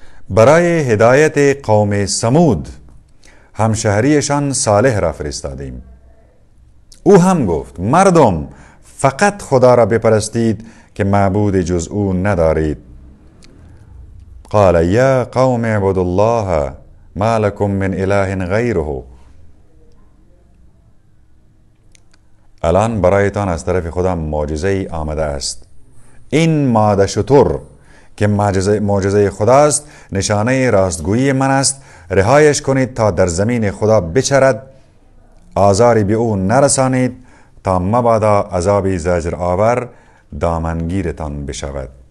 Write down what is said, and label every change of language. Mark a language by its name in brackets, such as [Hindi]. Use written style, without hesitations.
[Persian] برای هدایت قوم سمود همشهریشان صالح را فرستادیم. او هم گفت: مردم، فقط خدا را بپرستید که معبود جز او ندارید. [Arabic] قال: یا قوم اعبدوا الله ما لكم من اله غيره. [Persian] الان برایتان از طرف خدا معجزه ای آمده است. این ماده شتر که معجزه خداست، نشانه راستگویی من است. رهایش کنید تا در زمین خدا بچرد. آزاری به او نرسانید تا مبادا عذابی زجر آور دامنگیرتان بشود.